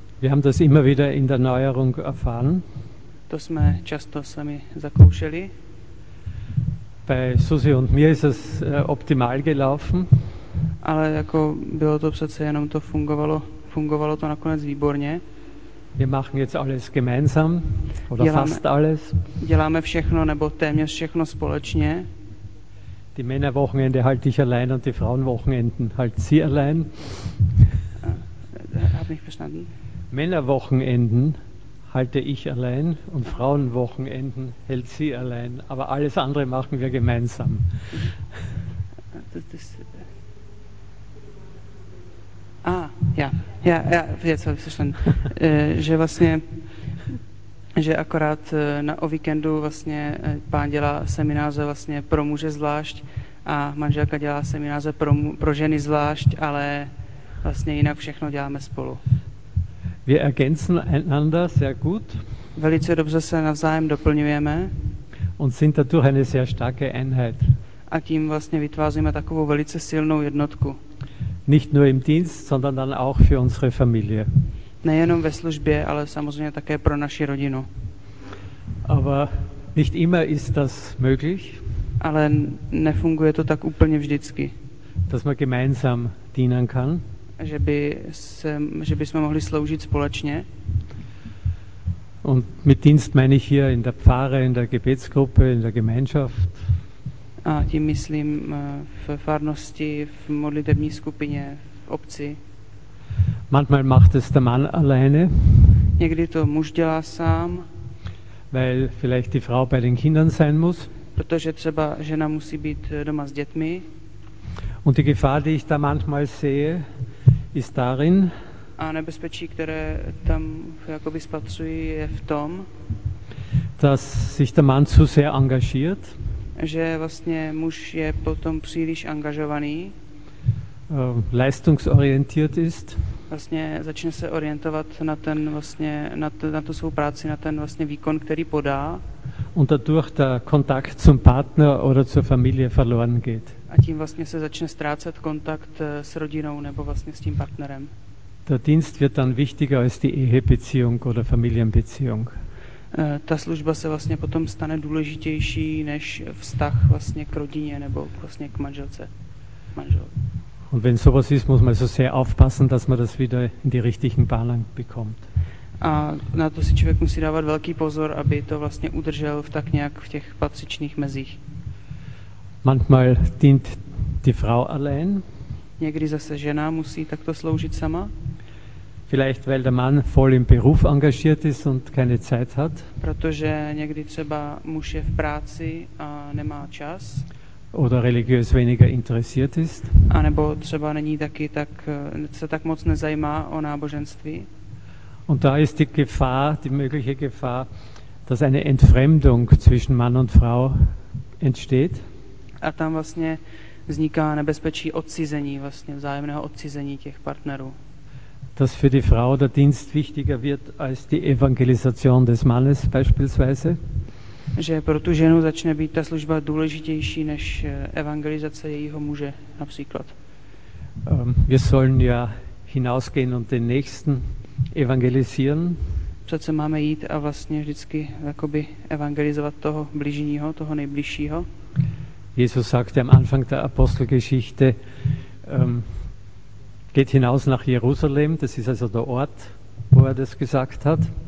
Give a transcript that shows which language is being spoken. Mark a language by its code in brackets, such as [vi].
[de] Wir haben das immer wieder in der Neuerung erfahren. [cs] To jsme často sami zakoušeli. [de] Bei Susi und mir ist es optimal gelaufen. [cs] Ale jako bylo to přece jenom to fungovalo to nakonec výborně. [de] Wir machen jetzt alles gemeinsam oder fast alles. [cs] Děláme všechno nebo téměř všechno společně. [de] Die Männerwochenende halte ich allein und die Frauenwochenenden halt sie allein. Hab nicht verstanden. Männerwochenenden halte ich allein und Frauenwochenenden hält sie allein, aber alles andere machen wir gemeinsam. Ja, jetzt habe ich verstanden, [cs] že vlastně, že akorát na o víkendu vlastně pán dělá semináře vlastně pro muže zvlášť a manželka dělá semináře pro ženy zvlášť, ale vlastně jinak všechno děláme spolu. [de] Wir ergänzen einander sehr gut. [cs] Velice dobře se navzájem doplňujeme. [de] Und sind dadurch eine sehr starke Einheit. [cs] A tím vlastně vytváříme takovou velice silnou jednotku. [de] Nicht nur im Dienst, sondern dann auch für unsere Familie. [cs] Nejenom ve službě, ale samozřejmě také pro naši rodinu. [de] Aber nicht immer ist das möglich. [cs] Ale nefunguje to tak úplně vždycky. [de] Dass man gemeinsam dienen kann. [cs] Že by jsme mohli sloužit společně. [de] Und mit Dienst meine ich hier in der Pfarre, in der Gebetsgruppe, in der Gemeinschaft. [cs] A tím myslím v farnosti, v modlitební skupině, v obci. [de] Manchmal macht es der Mann alleine. [cs] Někdy to muž dělá sám. [de] Weil vielleicht die Frau bei den Kindern sein muss. [cs] Protože třeba žena musí být doma s dětmi. [de] Und die Gefahr, die ich da manchmal sehe, ist darin. [cs] A nebezpečí, které tam jakoby spatřuji, je v tom, [de] dass sich der Mann zu sehr engagiert. [cs] Že vlastně muž je potom příliš angažovaný. [de] Leistungsorientiert ist. [cs] Vlastně začne se orientovat na ten vlastně na tu svou práci, na ten vlastně výkon, který podá. [de] Und dadurch der Kontakt zum Partner oder zur Familie verloren geht. [cs] A tím vlastně se začne ztrácet kontakt s rodinou nebo vlastně s tím partnerem. [de] Der Dienst wird dann wichtiger als die Ehebeziehung oder Familienbeziehung. [cs] Ta služba se vlastně potom stane důležitější než vztah vlastně k rodině nebo vlastně k manželce. Manžel. [de] Und wenn sowas ist, muss man so sehr aufpassen, dass man das wieder in die richtigen Bahnen bekommt. [cs] A na to si člověk musí dávat velký pozor, aby to vlastně udržel v tak nějak v těch patřičných mezích. [de] Manchmal dient die Frau allein. [cs] Někdy zase žena musí takto sloužit sama. [de] Vielleicht weil der Mann voll im Beruf engagiert ist und keine Zeit hat. [cs] Protože někdy třeba muž je v práci a nemá čas. [de] Oder religiös weniger interessiert ist. [cs] A nebo třeba není taky tak, se tak moc nezajímá o náboženství. [de] Und da ist die Gefahr, die mögliche Gefahr, dass eine Entfremdung zwischen Mann und Frau entsteht. [cs] A tam vlastně vzniká nebezpečí odcizení, vlastně vzájemného odcizení těch partnerů. [de] Dass für die Frau der Dienst wichtiger wird als die Evangelisation des Mannes beispielsweise. [cs] Že pro tu ženu začne být ta služba důležitější než evangelizace jejího muže například. [de] Wir sollen ja hinausgehen und den nächsten evangelisieren. [cs] Přece máme jít a vlastně vždycky jakoby evangelizovat toho bližního, toho nejbližšího. [de] Jesus sagte am Anfang der Apostelgeschichte, geht hinaus nach Jerusalem, das ist also der Ort, wo er das gesagt hat.